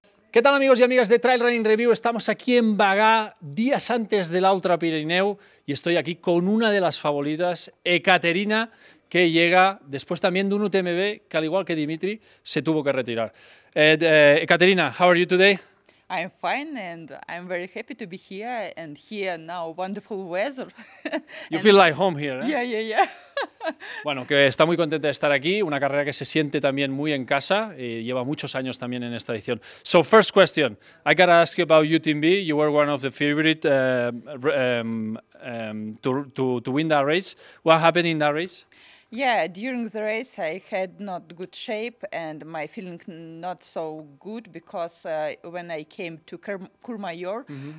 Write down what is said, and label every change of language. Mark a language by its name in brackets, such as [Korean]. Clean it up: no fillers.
[Spanish] ¿Qué tal, amigos y amigas de Trailrunning Review? Estamos aquí en Bagá, días antes del Ultra Pirineu, y estoy aquí con una de las favoritas, Ekaterina, que llega después también de un UTMB que, al igual que Dimitri, se tuvo que retirar. [English] Ekaterina, how are you today? I'm fine and I'm very happy to be here and here now, wonderful weather. You feel like home here, eh? Yeah. [Spanish] Bueno, que está muy contenta de estar aquí, una carrera que se siente también muy en casa y lleva muchos años también en esta edición. [English] So, first question, I gotta ask you about UTMB. You were one of the favorite to win that race. What happened in that race? Yeah, during the race I had not good shape and my feeling not so good because when I came to Courmayeur, mm-hmm.